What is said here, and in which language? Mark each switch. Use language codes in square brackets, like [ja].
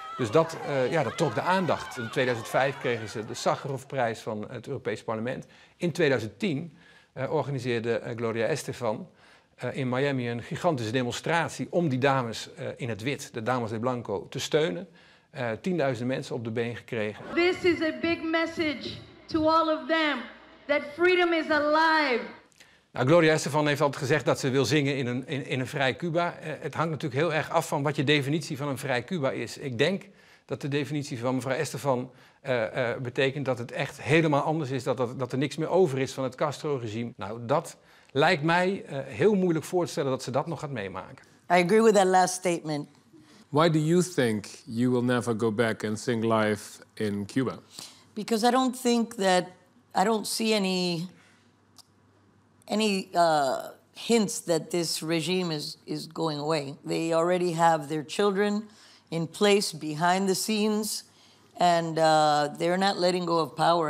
[nl] Dus dat trok de aandacht. In 2005 kregen ze de Sakharovprijs van het Europees Parlement. In 2010 organiseerde Gloria Estefan in Miami een gigantische demonstratie om die dames in het wit, de dames de blanco, te steunen. 10.000 mensen op de been gekregen. [en] This is a big message to all of them that freedom is alive. [nl] Nou, Gloria Estefan heeft altijd gezegd dat ze wil zingen in een vrij Cuba. Het hangt natuurlijk heel erg af van wat je definitie van een vrij Cuba is. Ik denk dat de definitie van mevrouw Estefan betekent dat het echt helemaal anders is, dat er niks meer over is van het Castro-regime. Nou, dat lijkt mij heel moeilijk voor te stellen dat ze dat nog gaat meemaken. [en] I agree with that last statement. Why do you think you will never go back and sing live in Cuba? Because I don't think that, I don't see any hints that this regime is going away. They already have their children in place behind the scenes and they're not letting go of power.